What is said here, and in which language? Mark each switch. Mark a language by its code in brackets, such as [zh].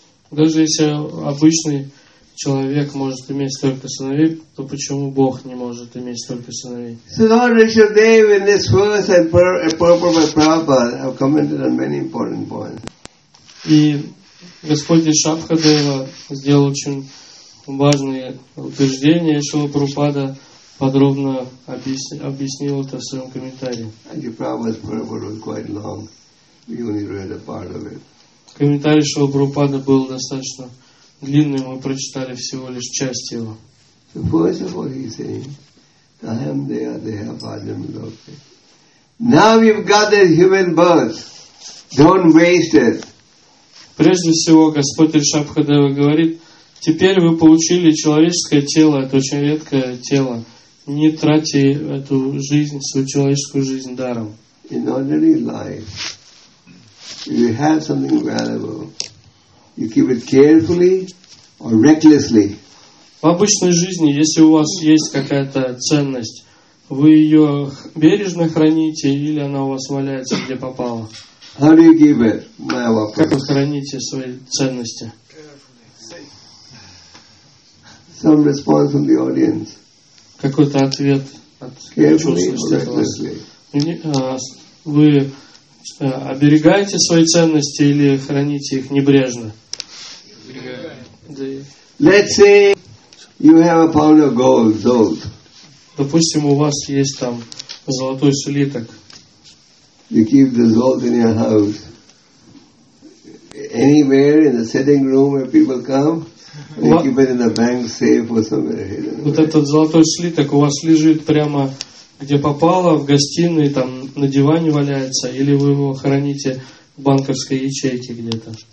[ru] Даже если обычный человек может иметь столько сыновей, то почему Бог не может иметь столько сыновей? [en] So Lord Rishabdev in this verse and Purport by Prabhupada have commented on many important points. [ru] И Господь Шабхадева сделал очень важные утверждения, и Шрила Прабхупада подробно объяснил это в своем комментарии. [en] Actually, Prabhupada's Purport was quite long. We only read a part of it. [ru] Комментарий Шрила Прабхупада был достаточно длинный, мы прочитали всего лишь часть его. [en] So first of all, he's saying, Taham Deha Deha Bhajam Loke. Now you've got a human birth. Don't waste it. [ru] Прежде всего, Господь Ришабхадева говорит, теперь вы получили человеческое тело, это очень редкое тело. Не тратьте эту жизнь, свою человеческую жизнь даром. [en] In ordinary life, if you have something valuable, you keep it carefully or recklessly. [ru] В обычной жизни, если у вас есть какая-то ценность, вы ее бережно храните или она у вас валяется где попало? [en] How do you keep it? My [ru] вопрос. Как вы храните свои ценности? [en] Some response from the audience. [ru] Какой-то ответ от слушателей. [en] Carefully or recklessly. [ru] вы оберегаете свои ценности или храните их небрежно? [en] Let's say you have a pound of gold. [ru] Допустим, у вас есть там золотой слиток. [en] You keep the gold in your house. Anywhere in the sitting room where people come. [ru] Вот этот золотой слиток у вас лежит прямо где попало, в гостиной, там на диване валяется, или вы его храните в банковской ячейке где-то?